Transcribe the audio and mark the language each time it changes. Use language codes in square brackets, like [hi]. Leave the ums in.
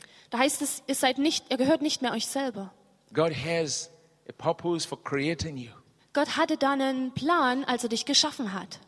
[de] Da heißt es, ihr, nicht, ihr gehört nicht mehr euch selber. [en] God has a purpose for creating you. [de] Gott hatte dann einen Plan, als er dich geschaffen hat.